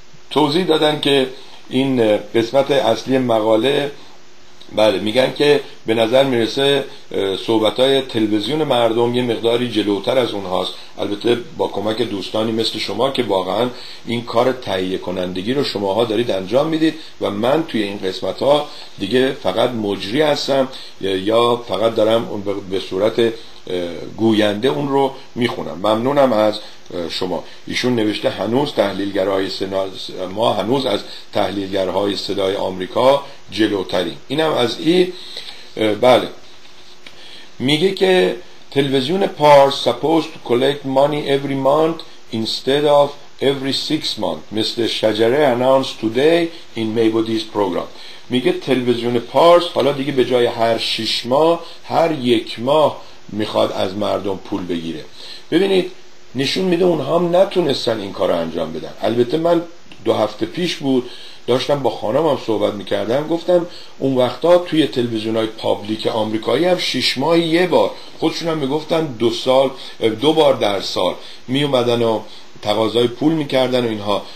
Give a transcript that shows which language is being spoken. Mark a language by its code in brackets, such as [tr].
[fa] توضیح دادن که این قسمت اصلی مقاله، بله، میگن که به نظر میرسه صحبتای تلویزیون مردم یه مقداری جلوتر از اونهاست، البته با کمک دوستانی مثل شما که واقعا این کار تهیه کنندگی رو شماها دارید انجام میدید و من توی این قسمت ها دیگه فقط مجری هستم یا فقط دارم اون به صورت گوینده اون رو میخونم. ممنونم از شما. ایشون نوشته هنوز تحلیلگرهای ما هنوز از تحلیلگرهای صدای آمریکا جلوتریم. اینم از ای، بله، میگه که تلویزیون پارس [en] supposed to collect money every month instead of every six months [fa] مثل شجره [en] announced today in Maybody's program. [fa] میگه تلویزیون پارس حالا دیگه به جای هر شش ماه هر یک ماه میخواد از مردم پول بگیره. ببینید نشون میده اونها هم نتونستن این کار رو انجام بدن. البته من دو هفته پیش بود داشتم با خانمم صحبت میکردم، گفتم اون وقتا توی تلویزیون های پابلیک آمریکایی هم شش ماه یه بار، خودشونم میگفتن دو بار در سال میومدن و تقاضای پول میکردن و اینها.